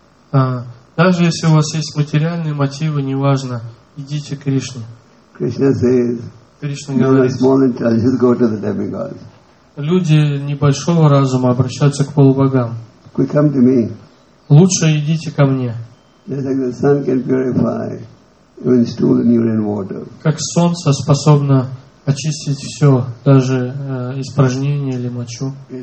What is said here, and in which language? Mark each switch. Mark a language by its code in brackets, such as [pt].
[ru] Даже если у вас есть материальные мотивы, неважно, идите к Кришне. [en] Krishna says, [ru] Krishna говорит, [en] small intelligence, go to the demigods. [ru] Люди небольшого разума обращаются к полубогам. [en] Come to me. [ru] Лучше идите ко мне. [en] Just like the sun can purify even stool and urine water. [ru] Как солнце способно очистить все, даже испражнение или мочу.